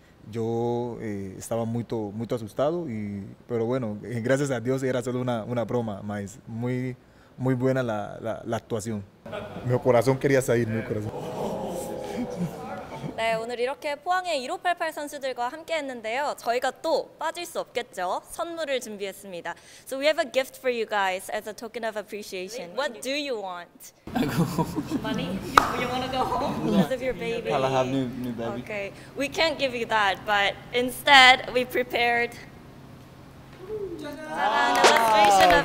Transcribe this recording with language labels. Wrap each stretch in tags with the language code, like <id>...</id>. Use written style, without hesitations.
<es>Yo estaba muy asustado, pero bueno, gracias a Dios era solo una broma, mas muy. Muy buena la actuación. Mi corazón quería salir, mi corazón.</es> <ko>네, 오늘 이렇게 포항의 1588 선수들과 함께했는데요. 저희가 또 빠질 수 없겠죠. 선물을 준비했습니다.</ko> <en>So we have a gift for you guys as a token of appreciation. What do you want? I go home. Money? You want to go home? Because of your baby. I have new baby. Okay, we can't give you that, but instead we prepared. An illustration of</en>